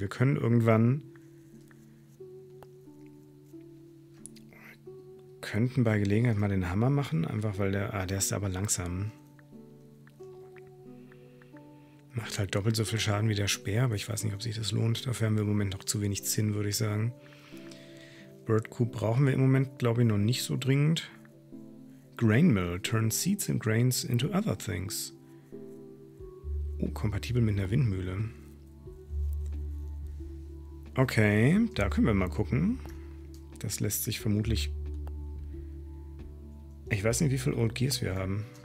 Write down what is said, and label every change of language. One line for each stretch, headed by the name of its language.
German: Wir können irgendwann, könnten bei Gelegenheit mal den Hammer machen, einfach weil der ist aber langsam. Macht halt doppelt so viel Schaden wie der Speer, aber ich weiß nicht, ob sich das lohnt. Dafür haben wir im Moment noch zu wenig Zinn, würde ich sagen. Bird Coop brauchen wir im Moment, glaube ich, noch nicht so dringend.
English: Grain Mill. Turn seeds and grains into other things.
German: Oh, kompatibel mit einer Windmühle. Okay, da können wir mal gucken. Das lässt sich vermutlich... Ich weiß nicht, wie viel Old Gears wir haben.